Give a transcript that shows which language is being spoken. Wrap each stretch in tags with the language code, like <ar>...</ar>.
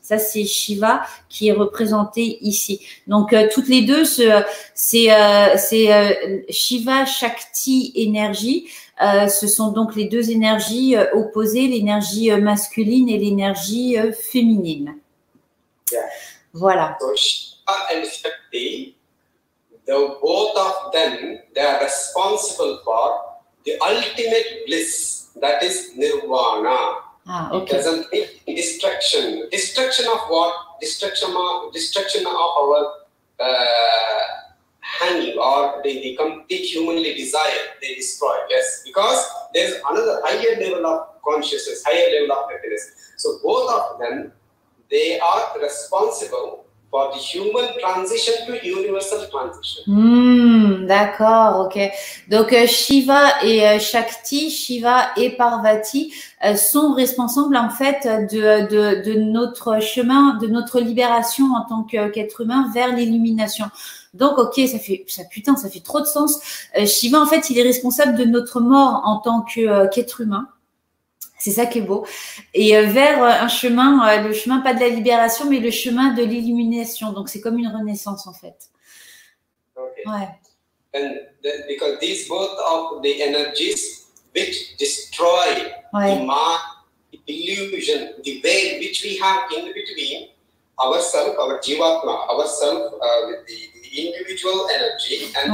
<fr>Ça, c'est Shiva qui est représenté ici. Donc, toutes les deux, Shiva, Shakti, énergie. Ce sont donc les deux énergies opposées, l'énergie masculine et l'énergie féminine. Voilà.</fr> <en>So Shiva and Shakti, the both of them, they are responsible for the ultimate bliss, that is Nirvana. Ah, okay. It doesn't mean destruction. Destruction of what? Destruction of our hanging or the complete humanly desire they destroy. Yes, because there's another higher level of consciousness, higher level of happiness. So both of them, they are responsible for the human transition to universal transition.</en> <fr>D'accord, ok. Donc Shiva et Shakti, Shiva et Parvati sont responsables en fait de notre chemin, de notre libération en tant qu'être humain vers l'illumination. Donc ok, ça fait trop de sens. Shiva en fait, il est responsable de notre mort en tant qu'être humain. C'est ça qui est beau. Et vers un chemin, le chemin pas de la libération, mais le chemin de l'illumination. Donc c'est comme une renaissance en fait. Okay. Ouais.</fr> <en>And because these both of the energies which destroy ouais. The mind, the illusion, the veil which we have in between ourselves, our jivatma, ourselves with the individual energy and</en>